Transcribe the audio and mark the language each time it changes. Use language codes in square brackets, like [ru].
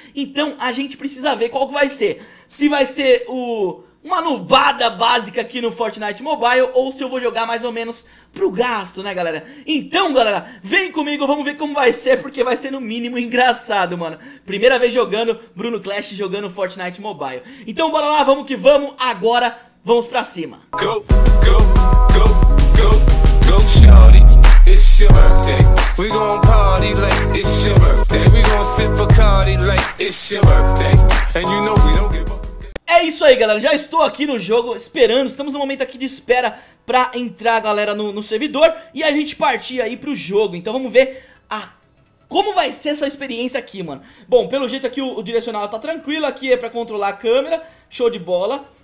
[pt] Então a gente precisa ver qual que vai ser. Se vai ser uma nubada básica aqui no Fortnite Mobile ou se eu vou jogar mais ou menos pro gasto, né, galera? Então, galera, vem comigo, vamos ver como vai ser, porque vai ser no mínimo engraçado, mano. Primeira vez jogando Bruno Clash, jogando Fortnite Mobile. Então bora lá, vamos que vamos, agora vamos pra cima. [en] Go, go, go, go, go, shawty, it's your birthday. We gon' party like it's your birthday. We gon' sip for Cardi like it's your birthday. And you know we don't give up. [pt] É isso aí, galera, já estou aqui no jogo esperando, estamos no momento aqui de espera pra entrar a galera no servidor e a gente partir aí pro jogo. Então vamos ver como vai ser essa experiência aqui, mano. Bom, pelo jeito aqui o direcional tá tranquilo, aqui é pra controlar a câmera, show de bola.